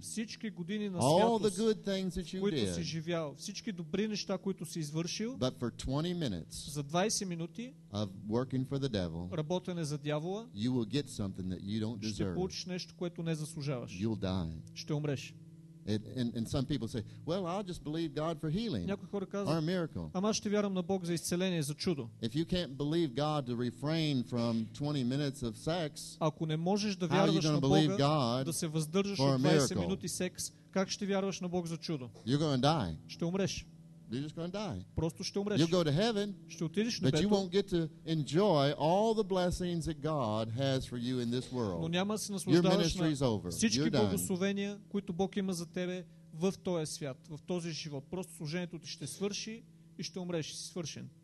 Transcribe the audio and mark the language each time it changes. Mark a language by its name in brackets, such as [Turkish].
[Bulgarian] Всички години на святост, които си живял, всички добри неща, които си извършил. [English] But for 20 minutes. [Bulgarian] За 20 минути. [English] Of working for the devil. [Bulgarian] Работене за дявола. [English] You will get something that you don't deserve. [Bulgarian] Ще получиш нещо, което не заслужаваш. [English] You'll die. [Bulgarian] Ще умреш. [English] And some people say, "Well, I'll just believe God for healing." [Bulgarian] Някои хора казват, [English] or a miracle. [Bulgarian] Ама ще вярвам на Бог за изцеление, за чудо. [English] If you can't believe God to refrain from 20 minutes of sex, [Bulgarian] ако не можеш да вярваш на Бога да се въздържаш от 20 минути секс, как ще вярваш на Бог за чудо? [English] You're going to die. [Bulgarian] Ще умреш. [English] You're just going to die. [Bulgarian] Просто ще умреш. [English] You'll go to heaven. [Bulgarian] Ще отидеш на небето. [English] But you won't get to enjoy all the blessings that God has for you in this world. [Bulgarian] Но няма да се наслаждаваш на всички благословения, които Бог има за тебе в този свят, в този живот. Просто служението ти ще свърши и ще умреш и си свършен.